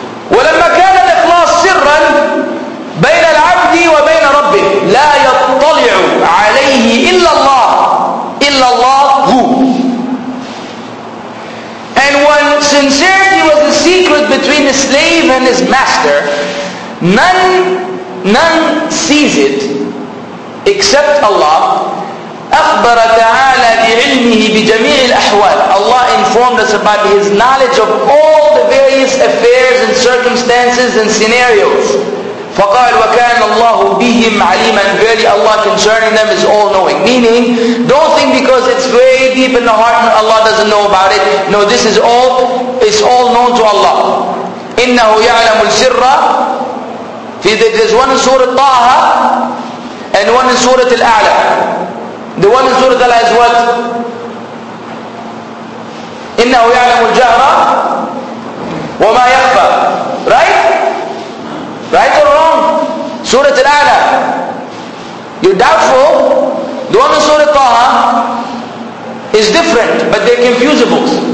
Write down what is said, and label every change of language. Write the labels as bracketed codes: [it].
[ar] وَلَمَّا كَانَ الْإِخْلَاصِ سِرًّا بَيْنَ الْعَبْدِ وَبَيْنَ رَبِّهِ لَا يَطَّلِعُ عَلَيْهِ إِلَّا اللَّهِ إِلَّا اللَّهُ. [en] And when sincerity was the secret between the slave and his master, none sees it except Allah. [ar] أَخْبَرَ تَعَالَى بِعِلْمِهِ بِجَمِيعِ الْأَحْوَالِ. [en] Allah informed us about His knowledge of all the various affairs and circumstances and scenarios. [ar] فَقَالَ وَكَانَ اللَّهُ بِهِمْ عَلِيمًا. [en] Verily Allah concerning them is all-knowing. Meaning, don't think because it's very deep in the heart and Allah doesn't know about it. No, this is all, it's all known to Allah. [ar] إِنَّهُ يَعْلَمُ الْسِرَّ. [en] There's one in Surah Taha and one in Surah Al-A'la. The one in Surah Al-A'la is what? [ar] إِنَّهُ يَعْلَمُ الْجَهْرَ وَمَا يَخْفَى. [en] Right? Right or wrong? Surah Al-A'la. You're doubtful, the one in Surah Taha is different, but they're confusable.